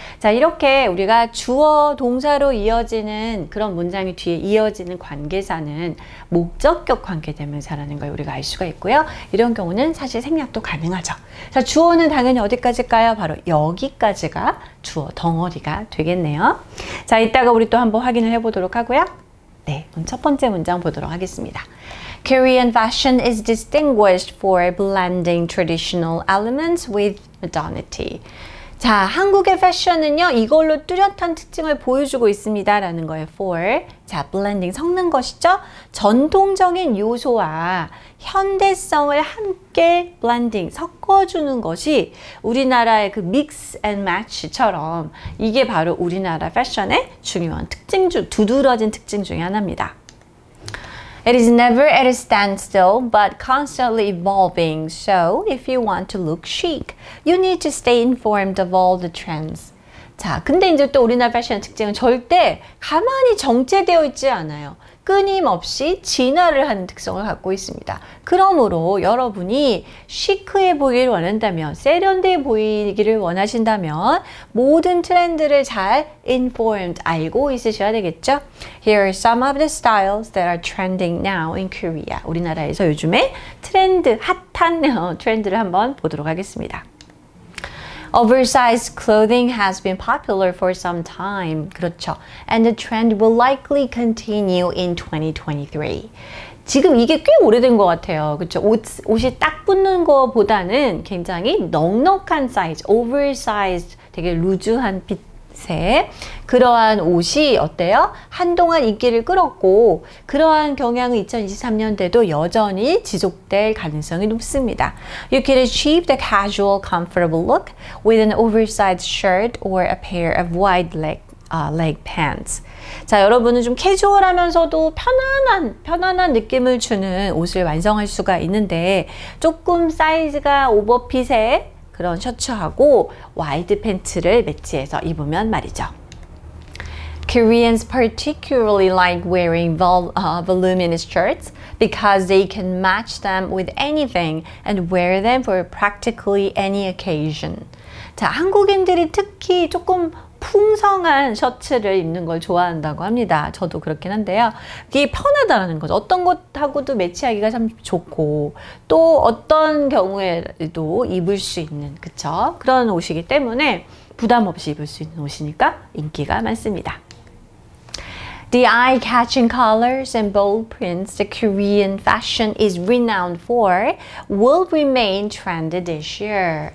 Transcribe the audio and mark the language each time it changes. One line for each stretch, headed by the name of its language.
Korean: 자, 이렇게 우리가 주어 동사로 이어지는 그런 문장이 뒤에 이어지는 관계사는 목적격 관계대명사라는 걸 우리가 알 수가 있고요. 이런 경우는 사실 생략도 가능하죠. 자, 주어는 당연히 어디까지일까요? 바로 여기까지가 주어 덩어리가 되겠네요. 자, 이따가 우리 또 한번 확인을 해보도록 하고요. 네, 첫 번째 문장 보도록 하겠습니다.
English: Korean fashion is distinguished for blending traditional elements with modernity.
Korean: 자, 한국의 패션은요, 이걸로 뚜렷한 특징을 보여주고 있습니다. 라는 거예요. For. 자, blending 섞는 것이죠. 전통적인 요소와 현대성을 함께 blending, 섞어주는 것이 우리나라의 그
English: mix and match
Korean: 처럼 이게 바로 우리나라 패션의 중요한 특징, 두드러진 특징 중에 하나입니다.
English: It is never at a standstill, but constantly evolving. So, if you want to look chic, you need to stay informed of all the trends.
Korean: 자, 근데 이제 또 우리나라 패션 특징은 절대 가만히 정체되어 있지 않아요. 끊임없이 진화를 하는 특성을 갖고 있습니다. 그러므로 여러분이 시크해 보이기를 원한다면, 세련되어 보이기를 원하신다면 모든 트렌드를 잘 informed, 알고 있으셔야 되겠죠?
English: Here are some of the styles that are trending now in Korea.
Korean: 우리나라에서 요즘에 트렌드, 핫한 트렌드를 한번 보도록 하겠습니다.
English: Oversized clothing has been popular for some time.
Korean: 그렇죠.
English: And the trend will likely continue in 2023.
Korean: 지금 이게 꽤 오래된 것 같아요. 그렇죠. 옷이 딱 붙는 것보다는 굉장히 넉넉한 사이즈, oversized, 되게 루즈한 핏의 그러한 옷이 어때요? 한동안 인기를 끌었고 그러한 경향은 2023년대도 여전히 지속될 가능성이 높습니다.
English: You can achieve the casual comfortable look with an oversized shirt or a pair of wide leg pants.
Korean: 자, 여러분은 좀 캐주얼하면서도 편안한 느낌을 주는 옷을 완성할 수가 있는데 조금 사이즈가 오버핏의 그런 셔츠하고 와이드 팬츠를 매치해서 입으면 말이죠.
English: Koreans particularly like wearing voluminous shirts because they can match them with anything and wear them for practically any occasion.
Korean: 자, 한국인들이 특히 조금 풍성한 셔츠를 입는 걸 좋아한다고 합니다. 저도 그렇긴 한데요. 그게 편하다는 거죠. 어떤 것하고도 매치하기가 참 좋고 또 어떤 경우에도 입을 수 있는 그렇죠? 그런 옷이기 때문에 부담 없이 입을 수 있는 옷이니까 인기가 많습니다.
English: The eye-catching colors and bold prints the Korean fashion is renowned for will remain trendy this year.